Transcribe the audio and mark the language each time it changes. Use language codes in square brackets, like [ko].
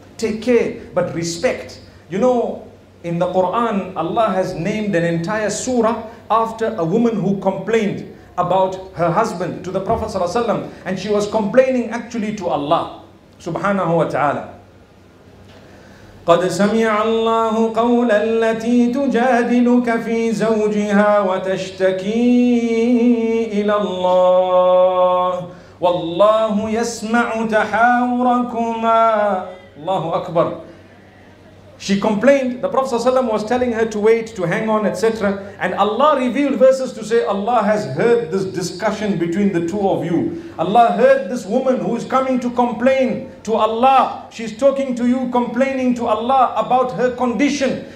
[en] Take care, but respect. You know, in the Quran, Allah has named an entire surah after a woman who complained about her husband to the Prophet ﷺ, and she was complaining actually to Allah subhanahu wa ta'ala. [ar] قد سمع الله قول التي تجادلك في زوجها وتشتكي إلى الله والله يسمع تحاوركما. الله أكبر. [en] She complained, the Prophet ﷺ was telling her to wait, to hang on, etc. And Allah revealed verses to say, Allah has heard this discussion between the two of you. Allah heard this woman who is coming to complain to Allah. She's talking to you, complaining to Allah about her condition.